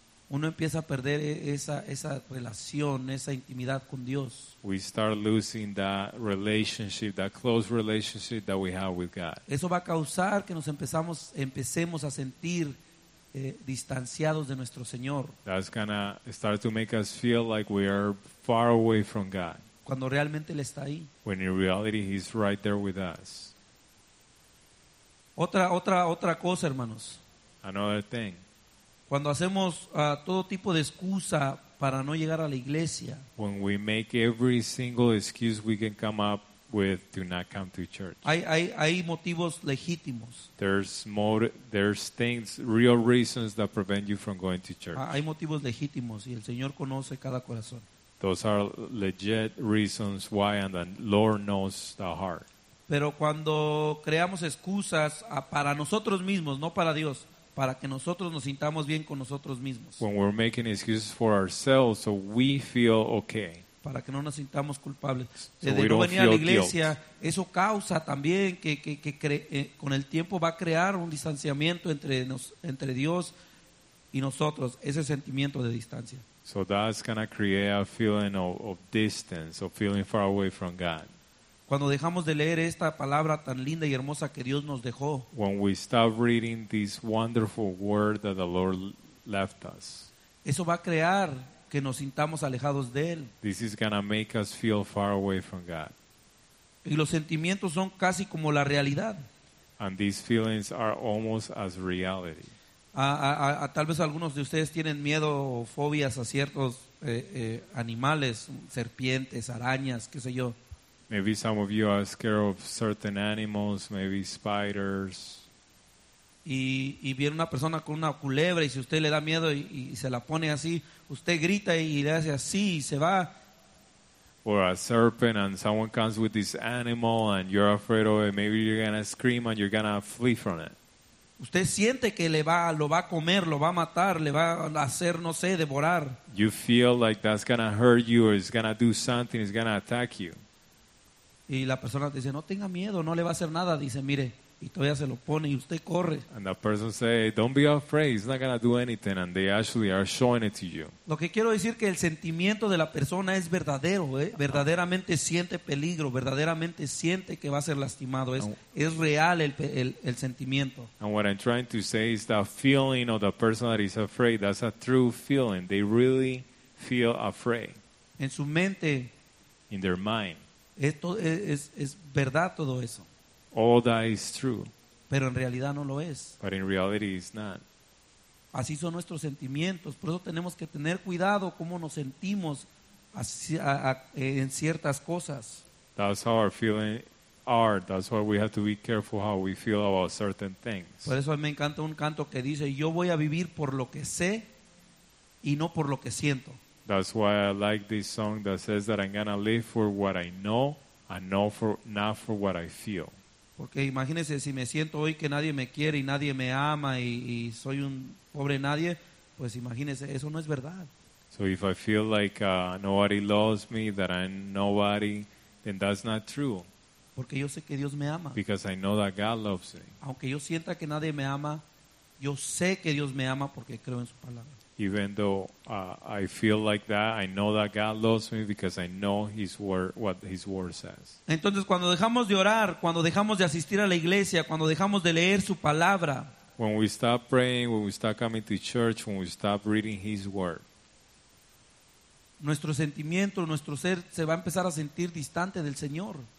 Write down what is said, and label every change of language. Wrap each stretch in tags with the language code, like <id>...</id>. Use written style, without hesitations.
<es>uno empieza a perder esa relación, esa intimidad con Dios.</es> <en>We start losing that relationship, that close relationship that we have with God.</en> <es>Eso va a causar que nos empecemos a sentir distanciados de nuestro Señor.</es> <en>That's gonna start to make us feel like we are far away from God.</en> <es>Cuando realmente él está ahí.</es> <en>When in reality he's right there with us.</en> <es>Otra cosa, hermanos.</es> <en>Another thing.</en> <es>Cuando hacemos todo tipo de excusa para no llegar a la iglesia.</es> <en>When we make every single excuse we can come up with to not come to church.</en> <es>Hay motivos legítimos.</es> <en>There's things, real reasons that prevent you from going to church.</en> <es>Hay motivos legítimos y el Señor conoce cada corazón.</es> <en>Those are legit reasons why and the Lord knows the heart.</en> <es>Pero cuando creamos excusas para nosotros mismos, no para Dios, para que nosotros nos sintamos bien con nosotros mismos.</es> <en>When we're making excuses for ourselves so we feel okay.</en> <es>Para que no nos sintamos culpables de no venir a la iglesia, eso causa también que con el tiempo va a crear un distanciamiento entre Dios y nosotros ese sentimiento de distancia.</es> <en>So that's gonna create a feeling of distance, of feeling far away from God.</en> <es>Cuando dejamos de leer esta palabra tan linda y hermosa que Dios nos dejó.</es> <en>When we stop reading this wonderful word that the Lord left us.</en> <es>Eso va a crear que nos sintamos alejados de él.</es> <en>This is gonna make us feel far away from God.</en> <es>Y los sentimientos son casi como la realidad.</es> <en>And these feelings are almost as reality.</en> <es>Tal vez algunos de ustedes tienen miedo o fobias a ciertos animales, serpientes, arañas, qué sé yo.</es> <en>Maybe some of you are scared of certain animals, maybe spiders.</en> <es>Y viene una persona con una culebra y si usted le da miedo y se la pone así, usted grita y le hace así y se va.</es> <en>Or a serpent and someone comes with this animal and you're afraid of it, maybe you're going to scream and you're going to flee from it.</en> <es>Usted siente que lo va a comer, lo va a matar, le va a hacer, no sé, devorar.</es> <en>You feel like that's going to hurt you or it's going to do something, it's going to attack you.</en> <es>Y la persona dice, no tenga miedo, no le va a hacer nada. Dice, mire, y todavía se lo pone y usted corre.</es> <en>And the person says, don't be afraid, it's not going to do anything. And they actually are showing it to you.</en> <es>Lo que quiero decir que el sentimiento de la persona es verdadero. Verdaderamente siente peligro, verdaderamente siente que va a ser lastimado. Es real el sentimiento.</es> <en>And what I'm trying to say is that feeling of the person that is afraid, that's a true feeling. They really feel afraid.</en> <es>En su mente.</es> <en>In their mind.</en> <es>Esto es verdad todo eso.</es> <en>All that is true.</en> <es>Pero en realidad no lo es.</es> <en>But in reality it's not.</en> <es>Así son nuestros sentimientos. Por eso tenemos que tener cuidado cómo nos sentimos en ciertas cosas.</es> <en>That's how our feelings are. That's why we have to be careful how we feel about certain things.</en> <es>Por eso a mí me encanta un canto que dice, yo voy a vivir por lo que sé y no por lo que siento.</es> <en>That's why I like this song that says that I'm gonna live for what I know and not for what I feel.</en> <es>Porque imagínese si me siento hoy que nadie me quiere y nadie me ama y soy un pobre nadie, pues imagínese, eso no es verdad.</es> <en>So if I feel like nobody loves me, that I'm nobody, then that's not true.</en> <es>Porque yo sé que Dios me ama.</es> <en>Because I know that God loves me.</en> <es>Aunque yo sienta que nadie me ama, yo sé que Dios me ama porque creo en su palabra.</es> <en>Even though I feel like that, I know that God loves me because I know His word, what His word says.</en> <es>Entonces, cuando dejamos de orar, cuando dejamos de asistir a la iglesia, cuando dejamos de leer su palabra,</es> <en>when we stop praying, when we stop coming to church, when we stop reading His word,</en> <es>nuestro sentimiento, nuestro ser se va a empezar a sentir distante del Señor.</es>